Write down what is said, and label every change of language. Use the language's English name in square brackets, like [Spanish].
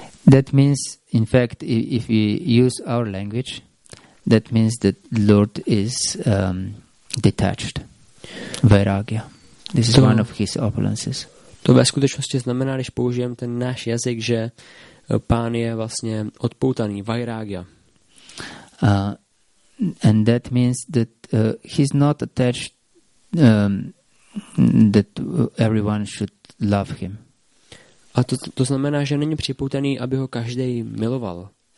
[English] That means, in fact, if we use our language, that means that Lord is detached, vairagya. This is one of his opulences. [Czech] To ve skutečnosti znamená, když použijeme ten náš jazyk, že pán je vlastně odpoutaný, vairagya. [English] And that means that he's not attached, that everyone should love him. [Czech] A to znamená, že není připoutaný, aby ho každý miloval.